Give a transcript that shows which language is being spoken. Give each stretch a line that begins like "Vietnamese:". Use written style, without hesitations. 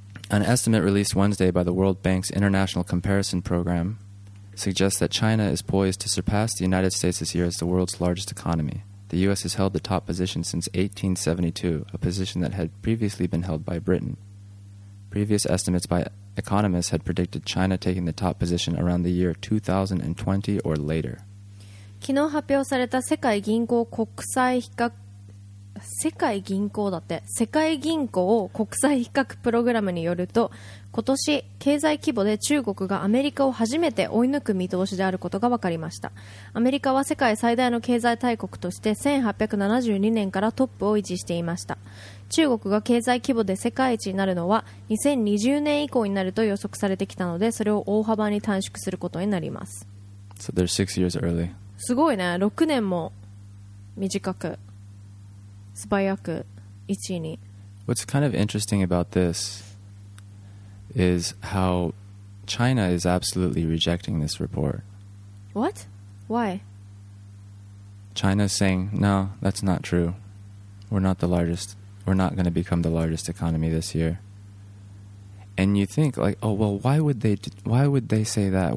English: An estimate released Wednesday by the World Bank's International Comparison Program suggests that China is poised to surpass the United States this year as the world's largest economy. The U.S. has held the top position since 1872, a position that had previously been held by Britain. Previous estimates by economists had predicted China taking the top position around the year 2020 or later.
Japanese: 昨日発表された世界銀行国際比較世界銀行だって世界銀行国際比較プログラムによると今年経済規模で中国がアメリカを初めて追い抜く見通しであることが分かりました。アメリカは世界最大の経済大国として1872年からトップを維持していました。中国が経済規模で世界一になるのは2020年以降になると予測されてきたのでそれを大幅に短縮することになります。
English: So they're 6 years early.
Japanese: すごいね6年も短く素早く1位に。
English: What's kind of interesting about thisis how China is absolutely rejecting this report. What? Why? China's saying, no, that's not true. We're not the largest. We're not going to become the largest economy this year. And you think, like, oh, well, why would they say that?